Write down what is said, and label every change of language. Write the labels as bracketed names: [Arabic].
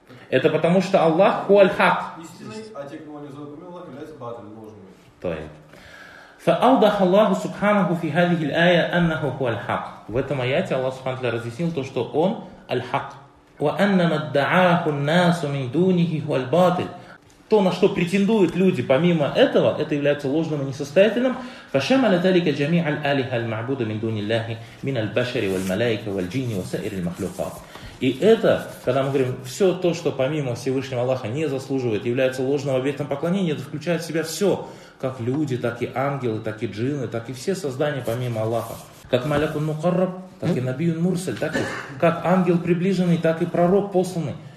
[Russian] это потому, что Аллах [Arabic] хуаль хак. [Russian] Истинный, а те, кого не взывают помимо Аллаха, являются батиль, ложными. Тает. [Arabic] فأوضح الله سبحانه في هذه الآية أنه هو الحق. [Russian] В этом аяте Аллах Субхана Тааля разъяснил то, что он аль-хак. [Arabic] وأن ما ادعاه الناس من دونه هو الباطل. [Russian] То, на что претендуют люди помимо этого, это является ложным и несостоятельным. [Arabic] فشمل ذلك جميع الآلهة المعبودة من دون الله من البشر والملائكة والجن وسائر المخلوقات. [Russian] И это, когда мы говорим, все то, что помимо Всевышнего Аллаха не заслуживает, является ложным объектом поклонения, это включает в себя все, как люди, так и ангелы, так и джинны, так и все создания помимо Аллаха. Как [Arabic] малякун мукарраб, [Russian] так и [Arabic] набиюн мурсаль, [Russian] так и как ангел приближенный, так и пророк посланный.